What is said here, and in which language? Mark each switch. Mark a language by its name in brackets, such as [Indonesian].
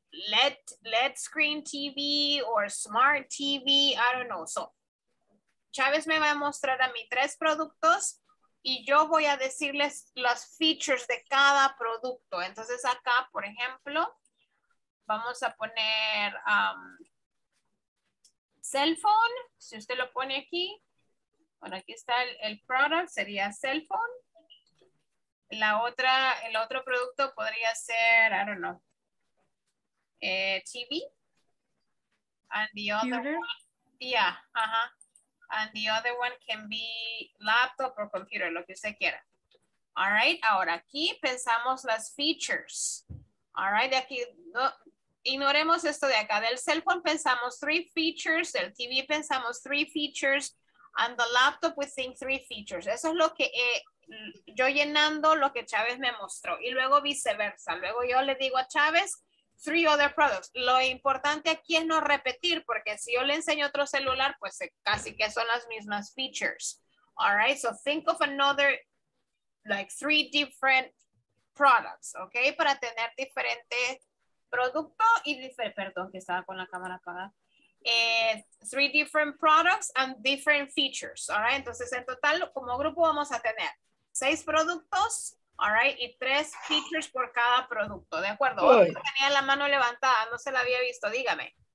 [English] LED screen TV or smart TV, I don't know. [Spanish] So, Chávez me va a mostrar a mí tres productos y yo voy a decirles las features de cada producto. Entonces acá, por ejemplo, vamos a poner cell phone. Si usted lo pone aquí, bueno, aquí está el product, sería cell phone. El otro producto podría ser, I don't know, TV. [English] And the other one, yeah, uh-huh. And the other one can be laptop or computer, [Spanish] lo que usted quiera. [English] All right, [Spanish] ahora aquí pensamos las features. All right, de aquí, no, ignoremos esto de acá. Del cell phone pensamos [English] three features, [Spanish] del TV pensamos [English] three features, and the laptop we think three features. [Spanish] Eso es lo que yo llenando lo que Chávez me mostró. Y luego viceversa. Luego yo le digo a Chávez, three other products. Lo importante aquí es no repetir, porque si yo le enseño otro celular, pues casi que son las mismas features. [English] All right, so think of another, like three different products, okay? [Spanish] Para tener diferente producto y diferente, perdón, que estaba con la cámara apagada. [English] Three different products and different features, all right? [Spanish] Entonces, en total, como grupo vamos a tener seis productos, [English] all right, [Spanish] y tres features por cada producto, ¿de acuerdo? Otra tenía la mano levantada, no se la había visto, dígame.